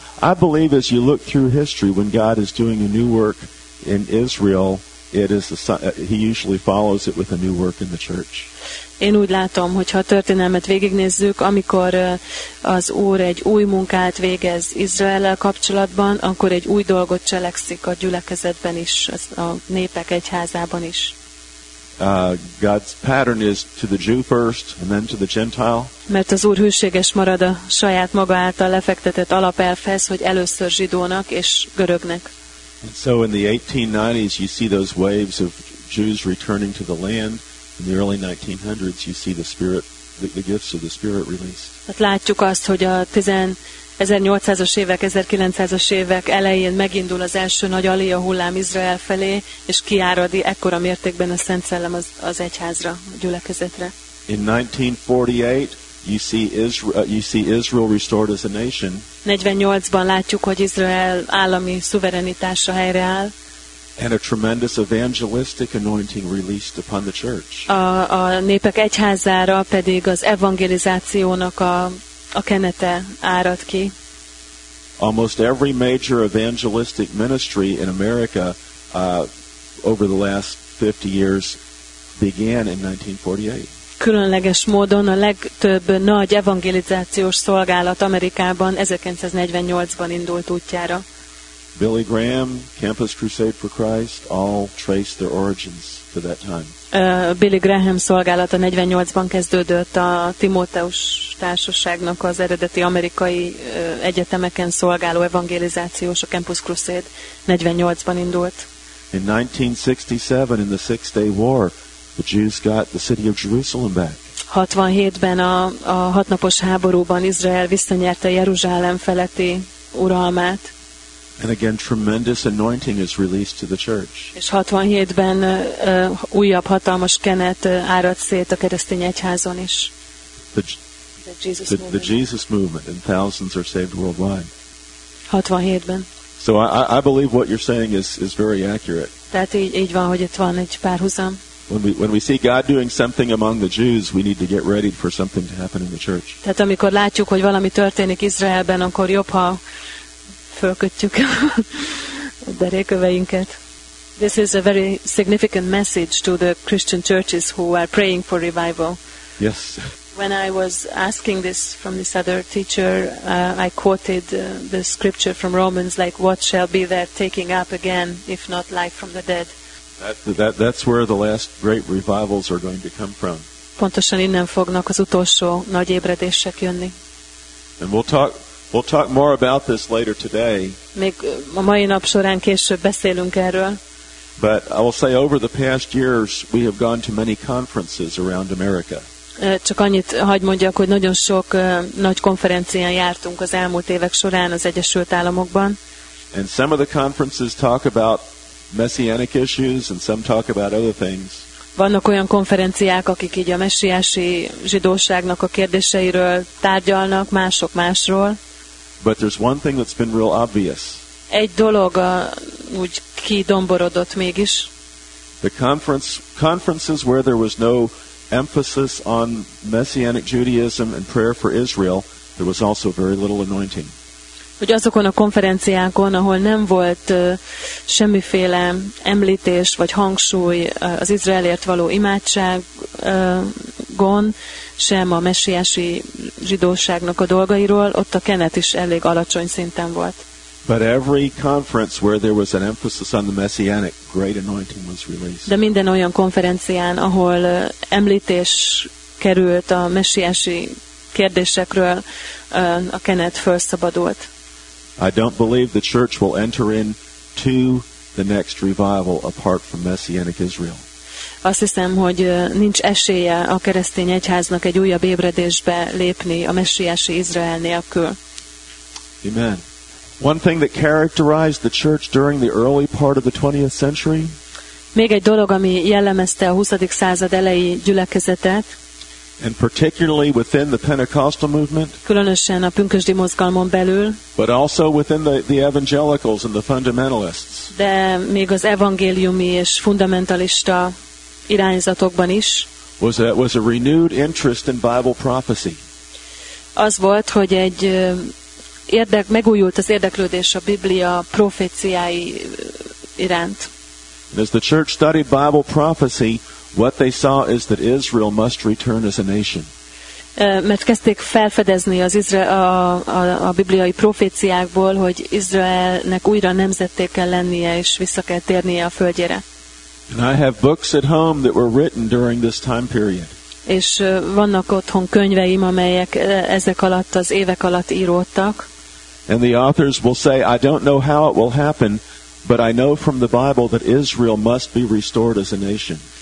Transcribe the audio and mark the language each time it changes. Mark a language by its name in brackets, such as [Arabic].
[English] I believe as you look through history, when God is doing a new work in Israel, it is he usually follows it with a new work in the church. [Hungarian] Én úgy látom, hogy ha a történelmet végignézzük, amikor az Úr egy új munkát végez Izraellel kapcsolatban, akkor egy új dolgot cselekszik a gyülekezetben is, a népek egyházában is. [English] God's pattern is to the Jew first, and then to the Gentile. [Hungarian] Mert az Úr hűséges marad a saját maga által lefektetett alapelvhez, hogy először zsidónak és görögnek. [English] And so in the 1890s you see those waves of Jews returning to the land. In the early 1900s, you see the gifts of the Spirit released. [Hungarian] Hát látjuk azt, hogy a 1800-as évek, 1900-as évek elején megindul az első nagy Aliyah hullám Izrael felé, és kiárad ekkora mértékben a Szent Szellem az egyházra, a gyülekezetre. [English] In 1948, you see Israel restored as a nation. [Hungarian] 48-ban látjuk, hogy Izrael állami szuverenitása helyreáll. [English] And a tremendous evangelistic anointing released upon the church. [Hungarian] A népek egyházára pedig az evangelizációnak a kenete árad ki. [English] Almost every major evangelistic ministry in America over the last 50 years began in 1948. [Hungarian] Különleges módon a legtöbb nagy evangelizációs szolgálat Amerikában 1948-ban indult útjára. [English] Billy Graham, Campus Crusade for Christ, all trace their origins to that time. [Hungarian] Billy Graham szolgálata 48-ban kezdődött, a Timóteus társaságnak az eredeti amerikai egyetemeken szolgáló evangelizációs, a Campus Crusade 48-ban indult. [English] In 1967, in the Six-Day War, the Jews got the city of Jerusalem back. [Hungarian] 67-ben a hatnapos háborúban Izrael visszanyerte Jeruzsálem feletti uralmát. [English] And again, tremendous anointing is released to the church. [Hungarian] És 67-ben újabb hatalmas kenet árad szét a keresztény egyházon is. [English] The Jesus movement, and thousands are saved worldwide. [Hungarian] 67-ben. [English] So I believe what you're saying is very accurate. [Hungarian] Tehát így van, hogy itt van egy párhuzam. [English] When we see God doing something among the Jews, we need to get ready for something to happen in the church. [Hungarian] Tehát amikor látjuk, hogy valami történik Izraelben, akkor jobb, ha fölkötjük a derékköveinket. [English] This is a very significant message to the Christian churches who are praying for revival. Yes. When I was asking this from this other teacher, I quoted the scripture from Romans, like, what shall be their taking up again, if not life from the dead? That's where the last great revivals are going to come from. [Hungarian] Pontosan innen fognak az utolsó nagy ébredések jönni. [English] And we'll talk more about this later today. [Hungarian] Még a mai nap során később beszélünk erről. [English] But I will say, over the past years, we have gone to many conferences around America. [Hungarian] Csak annyit hagy mondjak, hogy nagyon sok nagy konferencián jártunk az elmúlt évek során az Egyesült Államokban. [English] And some of the conferences talk about messianic issues, and some talk about other things. [Hungarian] Vannak olyan konferenciák, akik így a messiási zsidóságnak a kérdéseiről tárgyalnak, mások másról. [English] But there's one thing that's been real obvious. [Hungarian] Egy dolog úgy kidomborodott mégis. [English] The conferences where there was no emphasis on messianic Judaism and prayer for Israel, there was also very little anointing. [Hungarian] Hogy azokon a konferenciákon, ahol nem volt semmiféle említés vagy hangsúly az Izraelért való imádságon, sem a messiási zsidóságnak a dolgairól, ott a kenet is elég alacsony szinten volt. [English] But every conference where there was an emphasis on the messianic, great anointing was released. [Hungarian] De minden olyan konferencián, ahol említés került a messiási kérdésekről, a kenet felszabadult. [English] I don't believe the church will enter in to the next revival apart from messianic Israel. [Hungarian] Azt hiszem, hogy nincs esélye a keresztény egyháznak egy újabb ébredésbe lépni a messiási Izrael nélkül. [English] Amen. One thing that characterized the church during the early part of the 20th century? [Hungarian] Még egy dolog, ami jellemezte a 20. század elejé gyülekezetet. [English] And particularly within the Pentecostal movement. [Hungarian] Különösen a pünkösdi mozgalmon belül. [English] But also within the evangelicals and the fundamentalists. [Hungarian] De még az evangéliumi és fundamentalista irányzatokban is. [English] Was a renewed interest in Bible prophecy. [Hungarian] Az volt, hogy egy megújult az érdeklődés a Biblia proféciái iránt. [English] And as the church studied Bible prophecy, what they saw is that Israel must return as a nation. [Hungarian] Mert kezdték felfedezni az a bibliai proféciákból, hogy Izraelnek újra nemzetté kell lennie és vissza kell térnie a földjére. [English] And I have books at home that were written during this time period. [Hungarian] És vannak otthon könyveim, amelyek ezek alatt az évek alatt íródtak. [English] And the authors will say, I don't know how it will happen, but I know from the Bible that Israel must be restored as a nation.